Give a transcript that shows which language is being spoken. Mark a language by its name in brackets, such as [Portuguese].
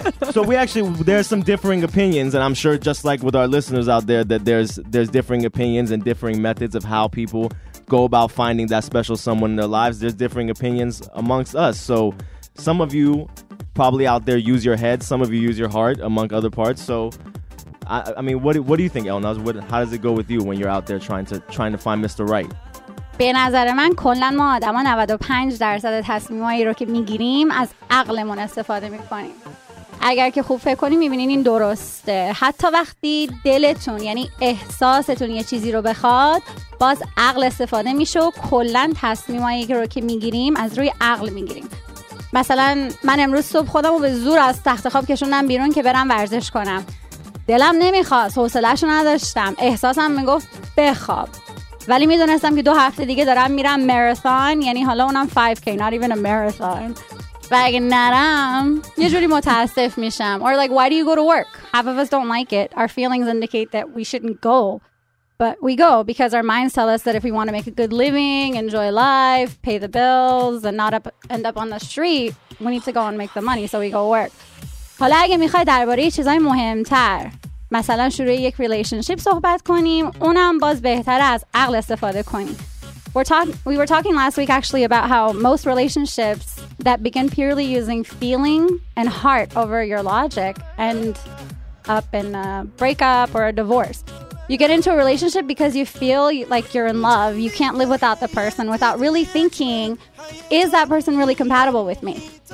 [English] So we actually, there's some differing opinions, and I'm sure just like with our listeners out there, that there's differing opinions and differing methods of how people go about finding that special someone in their lives. There's differing opinions amongst us. So some of you probably out there use your head, some of you use your heart, among other parts. So I mean what do you think, Elnaz? How does it go with you when you're out there trying to find Mr. Right? [Persian] به نظر من کلا ما آدما 95% تصمیمایی رو که میگیریم از عقلمون استفاده میکنیم. اگر که خوب فکر کنیم میبینین این درسته. حتی وقتی دلتون یعنی احساستون یه چیزی رو بخواد، باز عقل استفاده میشه و کلا تصمیمایی رو که میگیریم از روی عقل میگیریم. مثلا من امروز صبح خودم رو به زور از تخت خواب کشوندم بیرون که برم ورزش کنم. دلم نمیخواست، حوصله‌اشو نداشتم، احساسم میگفت بخواب، ولی میدونستم که 2 هفته دیگه دارم میرم ماراثون، یعنی حالا اونم 5K، [English] not even a marathon. [Persian] و اگه نرم یه جوری متاسف میشم. [English] Or like, why do you go to work? Half of us don't like it. Our feelings indicate that we shouldn't go, but we go because our minds tell us that if we want to make a good living, enjoy life, pay the bills, and not end up on the street, we need to go and make the money, so we go work. [Persian] حالا اگه میخوای درباره چیزای مهمتر مثلا شروع یک ریلیشنشیپ صحبت کنیم، اونم باز بهتر از عقل استفاده کنیم. [English] We were talking last week actually about how most relationships that begin purely using feeling and heart over your logic end up in a breakup or a divorce. You get into a relationship because you feel like you're in love. You can't live without the person without really thinking, is that person really compatible with me?